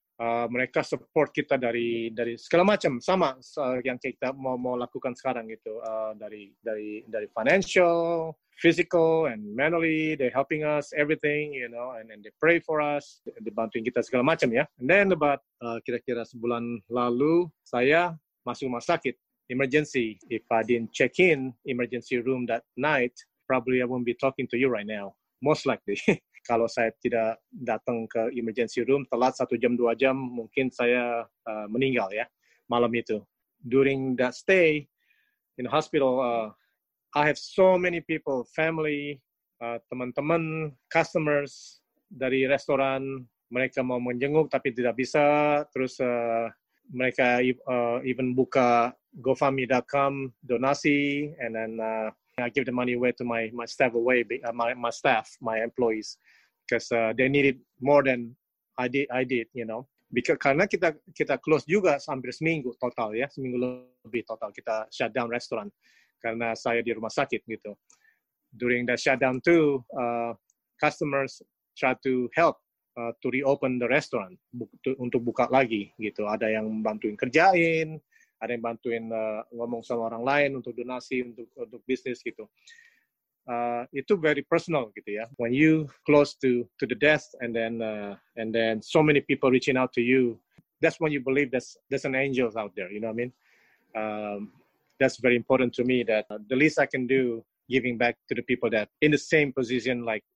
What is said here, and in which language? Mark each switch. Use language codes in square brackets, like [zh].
[id] Mereka support kita dari segala macam, sama yang kita mau lakukan sekarang gitu, dari [en] financial, physical and mentally, they helping us everything, you know, and they pray for us, they [id] bantuin kita segala macam ya. [en] And then about [id] kira-kira sebulan lalu saya masuk rumah sakit emergency. [en] If I didn't check in emergency room that night, probably I won't be talking to you right now, most likely. [id] Kalau saya tidak datang ke emergency room telat 1 jam 2 jam, mungkin saya meninggal ya malam itu. [en] During that stay in hospital, I have so many people, family, [id] teman-teman, customers dari restoran, mereka mau menjenguk tapi tidak bisa. Terus mereka even buka GoFundMe.com donasi, [en] and then I give the money away to my staff away, my staff, my employees, because they needed more than I did, you know. [id] Because karena kita close juga hampir seminggu total ya, seminggu lebih total kita shut down restaurant karena saya di rumah sakit gitu. [en] During the shutdown too, customers try to help to reopen the restaurant [id] untuk buka lagi gitu. Ada yang bantuin kerjain, ada yang bantuin ngomong sama orang lain untuk donasi untuk bisnis gitu. Itu very personal gitu ya. [en] When you close to the death, and then so many people reaching out to you, that's when you believe there's an angel out there. You know what I mean? That's very important to me, that the least I can do, giving back to the people that in the same position like